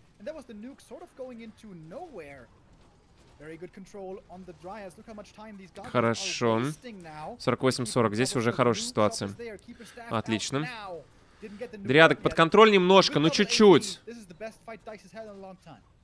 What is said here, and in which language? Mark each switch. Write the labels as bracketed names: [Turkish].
[English] And that was the nuke sort of going into nowhere. Very good control on the Dryas. Look how much time these guys are wasting now. 48-40. [Russian] Здесь уже хорошая ситуация. Отлично. Дриадок под контроль немножко, ну чуть-чуть. [English] This is the best fight Dice has had in a long time.